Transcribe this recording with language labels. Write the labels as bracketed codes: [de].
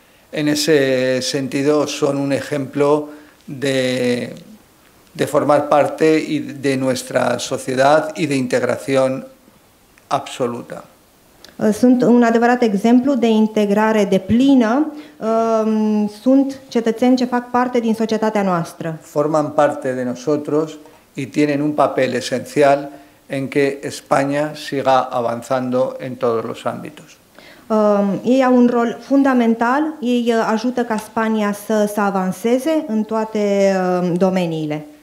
[es] En ese sentido son un ejemplo de formar parte y de nuestra sociedad y de integración absoluta. [ro] sunt un adevărat exemplu de integrare deplină. Sunt cetățeni ce fac parte din societatea noastră. [es] Forman parte de nosotros y tienen un papel esencial en que España siga avanzando en todos los ámbitos. [ro] Ei au un rol fundamental, ei ajută ca Spania să avanseze în toate domeniile.